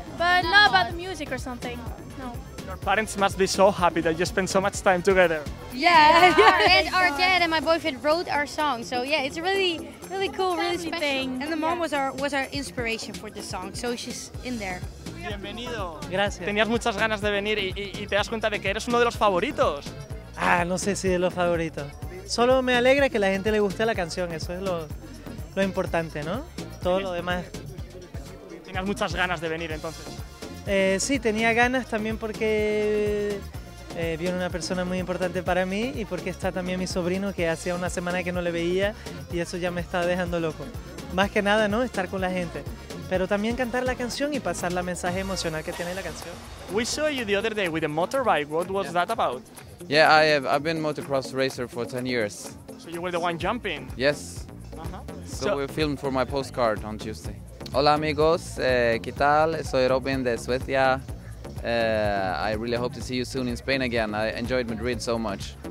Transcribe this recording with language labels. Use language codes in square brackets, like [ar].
[en] But not about the music or something. Your parents must be so happy that you spend so much time together. Yeah. And our dad and my boyfriend wrote our song. So yeah, it's a really, really cool, family really special thing. And the mom was our inspiration for the song. So she's in there. [es] Bienvenido. Gracias. Tenías muchas ganas de venir y te das cuenta de que eres uno de los favoritos. Ah, no sé si de los favoritos. Solo me alegra que la gente le guste la canción. Eso es lo importante, ¿no? Todo lo demás. Tenías muchas ganas de venir entonces. Sí, tenía ganas también porque viene una persona muy importante para mí y porque está también mi sobrino que hacía una semana que no le veía y eso ya me está dejando loco. Más que nada, ¿no? Estar con la gente. Pero también cantar la canción y pasar la mensaje emocional que tiene la canción. [en] We saw you the other day with a motorbike. What was that about? Yeah, I've been motocross racer for 10 years. So you were the one jumping? Yes. So we filmed for my postcard on Tuesday. [es] Hola amigos, ¿qué tal? Soy Robin de Suecia. [en] I really hope to see you soon in Spain again. I enjoyed Madrid so much.